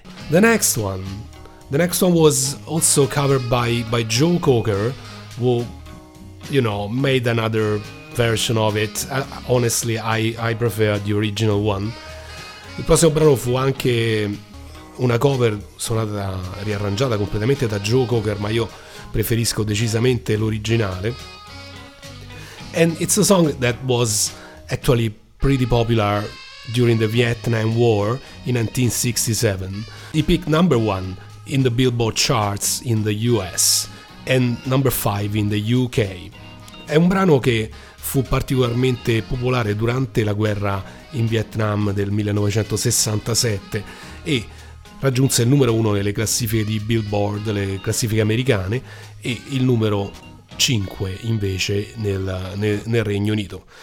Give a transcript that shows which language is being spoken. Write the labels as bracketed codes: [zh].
[en] The next one was also covered by Joe Cocker, who, you know, made another version of it. Honestly, I prefer the original one. [it] Il prossimo brano fu anche una cover suonata, riarrangiata completamente da Joe Cocker, ma io preferisco decisamente l'originale. [en] And it's a song that was actually pretty popular during the Vietnam War in 1967. It peaked number one in the Billboard charts in the US and Number 5 in the UK. [it] È un brano che fu particolarmente popolare durante la guerra in Vietnam del 1967 e raggiunse il numero 1 nelle classifiche di Billboard, le classifiche americane, e il numero 5 invece nel Regno Unito.